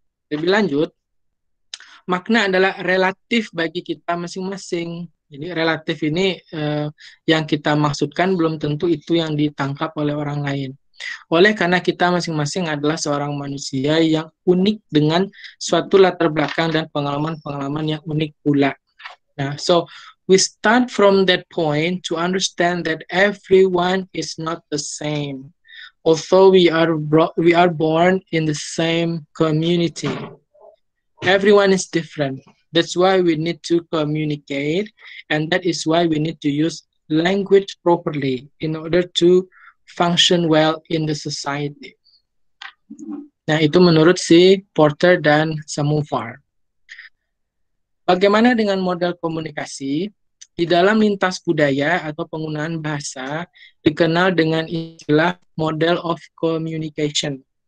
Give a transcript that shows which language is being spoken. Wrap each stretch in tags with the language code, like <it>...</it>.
<id>Lebih lanjut, makna adalah relatif bagi kita masing-masing. Jadi relatif ini yang kita maksudkan belum tentu itu yang ditangkap oleh orang lain. Oleh karena kita masing-masing adalah seorang manusia yang unik dengan suatu latar belakang dan pengalaman-pengalaman yang unik pula.</id> <en>Nah, so we start from that point to understand that everyone is not the same, although we are born in the same community. Everyone is different. That's why we need to communicate, and that is why we need to use language properly in order to function well in the society.</en> <id>Nah, itu menurut si Porter dan Samovar. Bagaimana dengan model komunikasi? Di dalam lintas budaya atau penggunaan bahasa dikenal dengan istilah model of communication.</id>